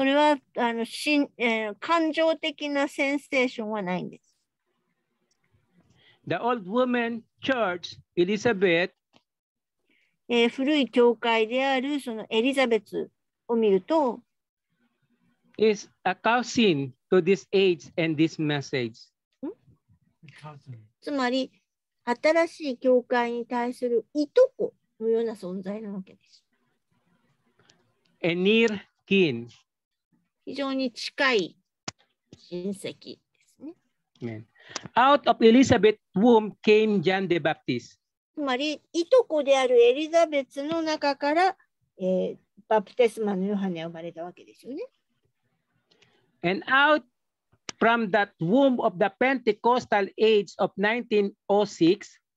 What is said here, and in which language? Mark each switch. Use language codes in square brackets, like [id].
[ja] それはあの心、感情的なセンセーションはないんです。 [en] The old woman church, Elizabeth, [ja] 古い教会であるそのエリザベツを見ると、 [en] is a cousin to this age and this message. [ja] つまり、新しい教会に対するいとこのような存在なわけです。 [en] A near kin. [ja] 非常に近い親戚ですね。 [en] Amen. Out of Elizabeth's womb came John the Baptist. [ja] つまり、いとこであるエリザベツの中から、バプテスマのヨハネが生まれたわけですよね。 [en] And out from that womb of the Pentecostal age of 1906,